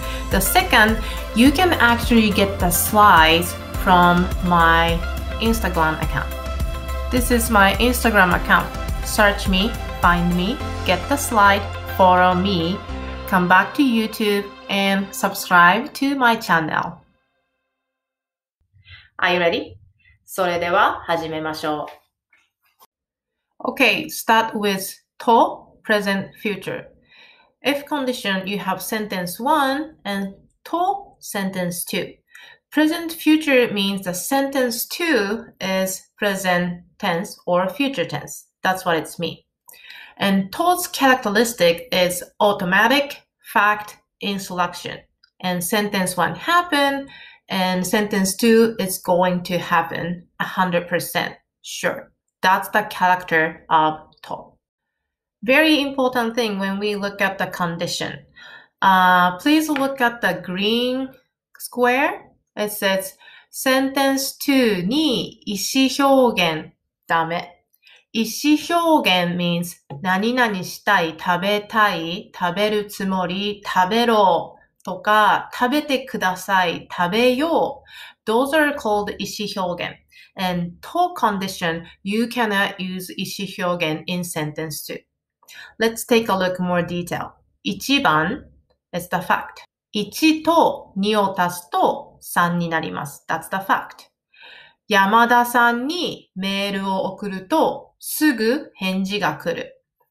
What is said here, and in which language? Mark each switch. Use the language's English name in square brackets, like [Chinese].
[English] The second, you can actually get the slides from my Instagram account. This is my Instagram account. Search me, find me, get the slide, follow me, come back to YouTube, and subscribe to my channel. Are you ready? [Japanese] それでは始めましょう。 [English] Okay, start with to, present, future. If condition, you have sentence 1 and to, sentence 2. Present future means the sentence 2 is present tense or future tense. That's what it means. And to's characteristic is automatic, fact, inflection. And sentence 1 happened, and sentence 2 is going to happen 100% sure. That's the character of to. Very important thing when we look at the condition. Please look at the green square. It says sentence 2 [Japanese] に意思表現ダメ。意思表現 [English] means [Japanese] 何々したい、食べたい、食べるつもり、食べろとか食べてください、食べよう。 [English] Those are called 意思表現。 And to condition, you cannot use 意思表現 in sentence 2. Let's take a look more detail. 一番 is the fact. [Japanese] 一と二を足すと三になります。 [English] That's the fact. [Japanese] 山田さんにメールを送るとすぐ返事が来る。